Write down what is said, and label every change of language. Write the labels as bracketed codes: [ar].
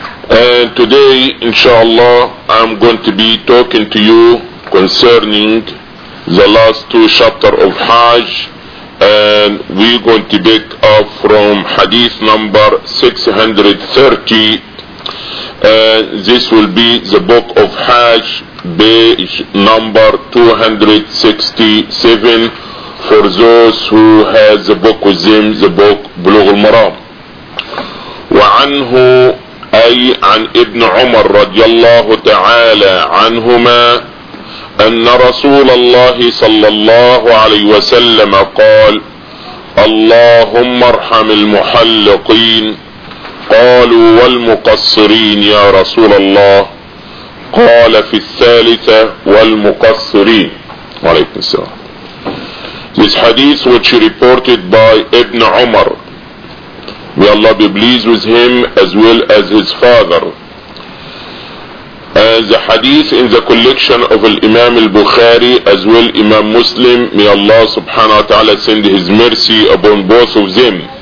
[en] And today inshallah I'm going to be talking to you concerning the last two chapters of Hajj, and we're going to pick up from hadith number 630, and this will be the book of Hajj, page number 267, for those who has the book with them, the book Bulugh al-Maram. [ar] وعنه أي عن ابن عمر رضي الله تعالى عنهما أن رسول الله صلى الله عليه وسلم قال: اللهم ارحم المحلقين. قالوا: والمقصرين يا رسول الله؟ قال: في الثالثة والمقصرين. عليكم السلام. [en] This hadith which reported by Ibn Umar, may Allah be pleased with him as well as his father. As a hadith in the collection of Imam al-Bukhari as well Imam Muslim, may Allah subhanahu wa ta'ala send his mercy upon both of them.